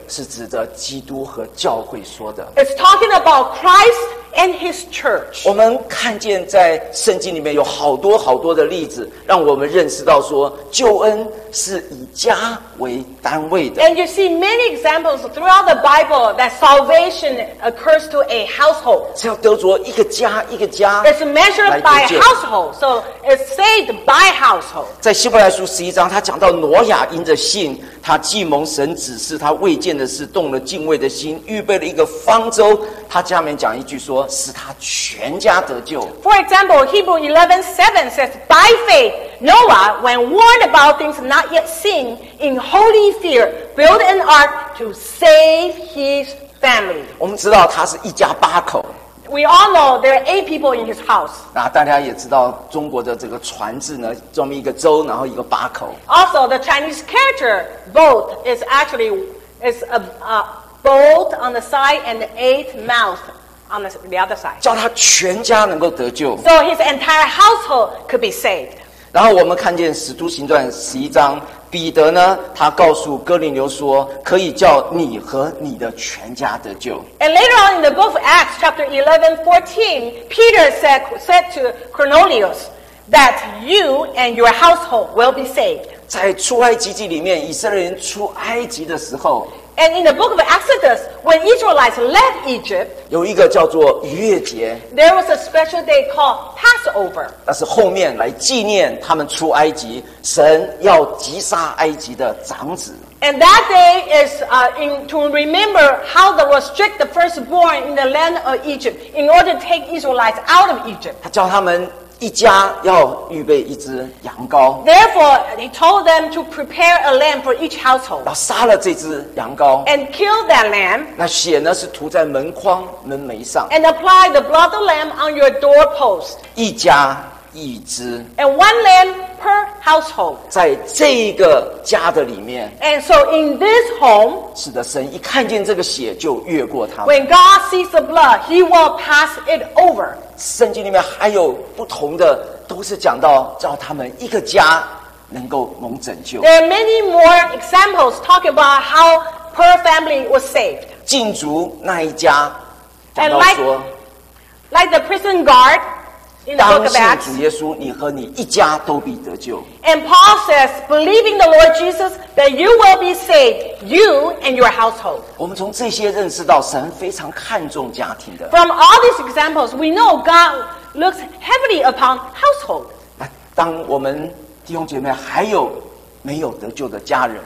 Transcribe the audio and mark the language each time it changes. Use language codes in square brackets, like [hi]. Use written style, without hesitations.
[zh] 是指着基督和教会说的。 [en] It's talking about Christ and His church. [zh] 我们看见在圣经里面有好多好多的例子，让我们认识到说救恩是以家为单位的。 [en] And you see many examples throughout the Bible that salvation occurs to a household. [zh] 是要得着一个家一个家。 [en] It's measured by household, so it's saved by household. [zh] 在希伯来书十一章，他讲到挪亚因着信，他既蒙神指示他未见的事，动了敬畏的心，预备了一个方舟。他下面讲一句说，使他全家得救。 [en] For example, Hebrews 11:7 says, "By faith Noah, when warned about things not yet seen, in holy fear, built an ark to save his family." [zh] 我们知道他是一家八口。 [en] We all know there are eight people in his house. [zh] 那大家也知道中国的这个船字呢，这么一个舟，然后一个八口。 [en] Also, the Chinese character boat is a boat on the side and the eight mouth on the other side. [zh] 叫他全家能够得救。 [en] So his entire household could be saved. [zh] 然后我们看见《使徒行传》十一章。彼得呢，他告诉哥林流说，可以叫你和你的全家得救。 [en] And later on in the book of Acts, chapter 11:14, Peter said to Cornelius that you and your household will be saved. [zh] 在出埃及记里面，以色列人出埃及的时候。 [en] And in the book of Exodus, when Israelites left Egypt, [zh] 有一个叫做逾越节。 [en] There was a special day called Passover. [zh] 那是后面来纪念他们出埃及，神要击杀埃及的长子。 [en] And that day is to remember how the Lord stripped the firstborn in the land of Egypt in order to take Israelites out of Egypt. [zh] 他叫他们一家要预备一只羊羔。 [en] Therefore, he told them to prepare a lamb for each household. [zh] 要杀了这只羊羔。 [en] And kill that lamb. [zh] 那血呢是涂在门框门楣上。 [en] And apply the blood of lamb on your doorpost. [zh] 一家一只。 [en] And one lamb per household. [zh] 在这个家的里面。 [en] And so in this home. [zh] 使得神一看见这个血就越过他们。 [en] When God sees the blood, He will pass it over. [zh] 圣经里面还有不同的，都是讲到叫他们一个家能够蒙拯救。 [en] There are many more examples talking about how per family was saved. [zh] 禁足那一家，讲到说 [en] like the prison guard in the book of Acts. [zh] 当信主耶稣，你和你一家都必得救。 [en] And Paul says, believing the Lord Jesus that you will be saved, you and your household. [zh] 我们从这些认识到神非常看重家庭的。 [en] From all these examples, we know God looks heavily upon household. [zh] 那当我们弟兄姐妹还有没有得救的家人。